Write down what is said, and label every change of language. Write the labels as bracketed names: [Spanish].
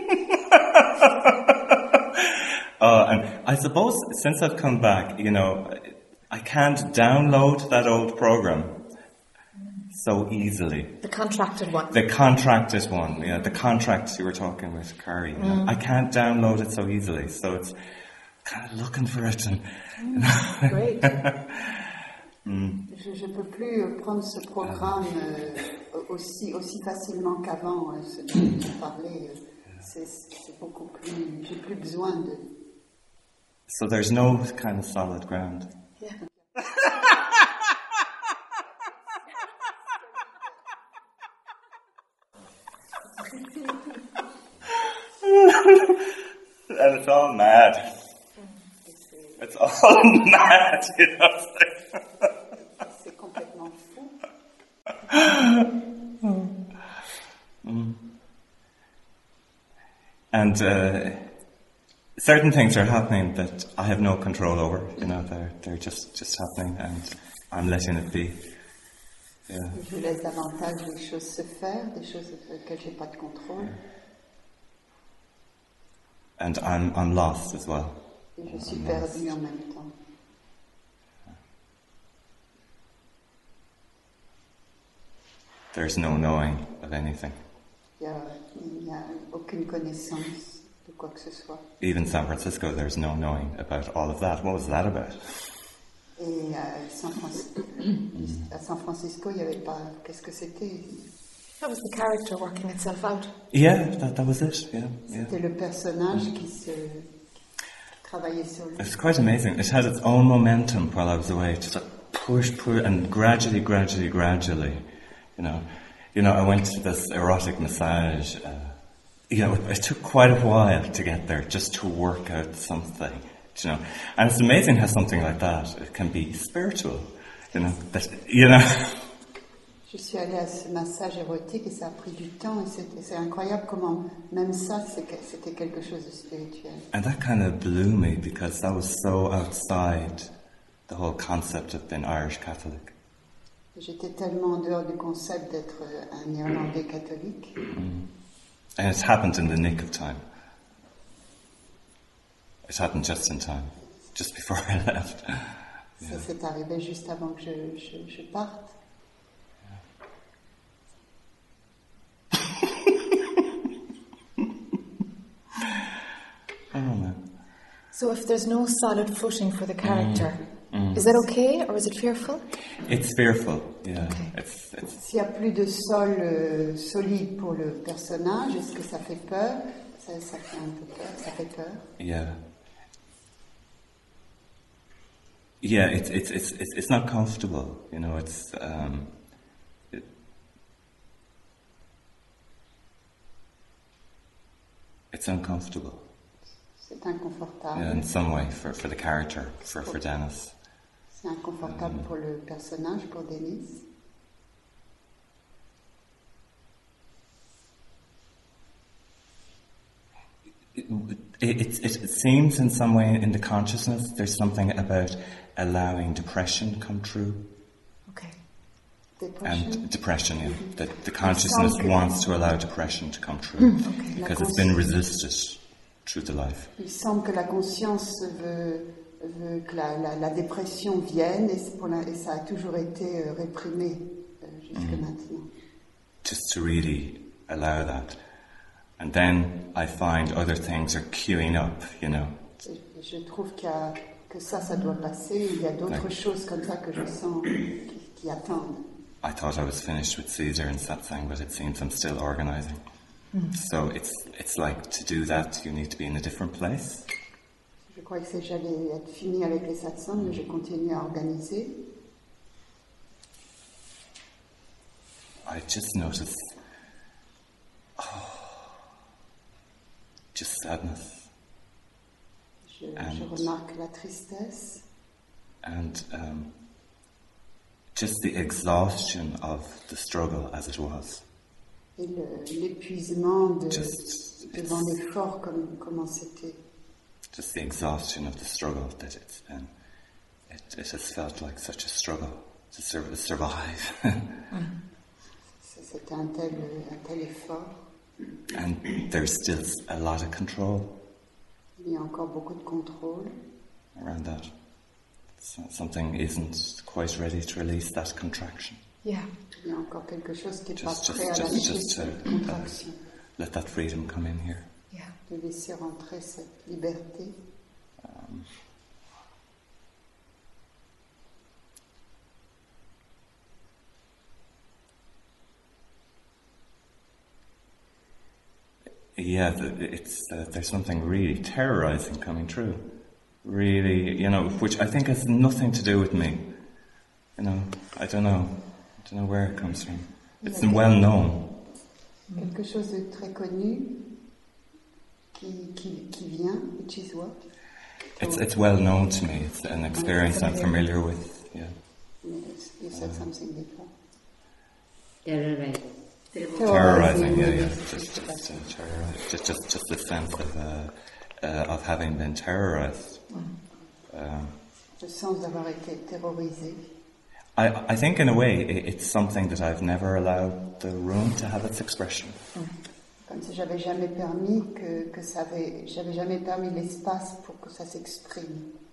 [English] And I suppose since I've come back, you know, I can't download that old program so easily. The contracted one. The contracted one, yeah. The contract you were talking with, Carrie. You know, I can't download it so easily, so it's kind of looking for it. And great. [French] Je ne peux plus prendre ce programme aussi facilement qu'avant. Ce que tu parlais, c'est beaucoup plus. J'ai plus besoin de. [English] So there's no kind of solid ground. Yeah. And it's all mad. It's all mad, you know. [French] C'est complètement fou. [English] And certain things are happening that I have no control over, you know, they're just happening and I'm letting it be. [French] Je laisse davantage les choses se faire, des choses auxquelles j'ai pas de contrôle. [English] And I'm lost as well. [French] Et je suis perdue en même temps. [English] There's no knowing of anything. [French] Il y a aucune connaissance de quoi que ce soit. [English] Even San Francisco, there's no knowing about all of that. What was that about? [French] Et à San Francisco, il y avait pas. Qu'est-ce que c'était? [English] That was the character working itself out. Yeah, that was it. Yeah. [French] C'était le personnage qui travaillait sur lui. [English] It's quite amazing. It had its own momentum while I was away. Just like push, and gradually. You know, I went to this erotic massage it took quite a while to get there, just to work out something, you know. And it's amazing how something like that, it can be spiritual, you know. But, you know. [French] Je suis allée à ce massage érotique et ça a pris du temps et c'est incroyable comment même ça c'était quelque chose de spirituel. [English] And that kind of blew me because that was so outside the whole concept of being Irish Catholic. [French] J'étais tellement en dehors du concept d'être un Irlandais catholique. [English] And it happened in the nick of time. It happened just in time, just before I left. [French] Ça s'est arrivé juste avant que je parte. [English] So if there's no solid footing for the character, is that okay or is it fearful? It's fearful, yeah. Okay. [French] S'il n'y a plus de sol solide pour le personnage, est-ce que ça fait peur? Ça fait un peu peur, ça fait peur. [English] Yeah. Yeah, it's not comfortable, you know, it's... it's uncomfortable. [French] C'est inconfortable. [English] Yeah, in some way, for the character, for Dennis. [French] C'est inconfortable pour le personnage, pour Dennis. [English] It seems in some way in the consciousness there's something about allowing depression come true. Okay. Depression. And depression, yeah. Mm-hmm. That the consciousness wants to allow depression to come true. Okay. Because it's been resisted. Through the life. [French] Il semble que la conscience veut que la dépression vienne et ça a toujours été réprimé jusque maintenant. [English] Just to really allow that. And then I find other things are queuing up, you know. [French] Je trouve que ça doit passer. Il y a d'autres choses comme ça que je sens qui attendent. [English] I thought I was finished with Caesar and Satsang, but it seems I'm still organizing. So it's like to do that you need to be in a different place. [French] Je crois que j'allais être fini avec les satsangs, mais je continue à organiser. [English] I just notice just sadness. [French] Je remarque la tristesse. [English] And just the exhaustion of the struggle as it was. [French] Et l'épuisement devant l'effort comment c'était. [English] Just the exhaustion of the struggle that it's been. It has felt like such a struggle to survive. [French] C'était un tel effort. [English] And there's still a lot of control. [French] Il y a encore beaucoup de contrôle. [English] Around that. Something isn't quite ready to release that contraction. Yeah. [French] Il y a encore quelque chose qui n'est pas prêt à lâcher cette contraction. [English] Let that freedom come in here. Yeah. [French] De laisser rentrer cette liberté. [English] There's something really terrorizing coming true. Really, you know, which I think has nothing to do with me. You know, I don't know. I don't know where it comes from. It's well known. [French] Quelque chose de très connu qui vient, [English] which is what? It's well known to me. It's an experience I'm familiar with. Yeah. You said something different. Terrorizing. Just the sense of having been terrorized. [French] Le sens d'avoir été terrorisé. [English] I think, in a way, it's something that I've never allowed the room to have its expression. [French] Comme si j'avais jamais permis j'avais jamais permis l'espace pour que ça s'exprime.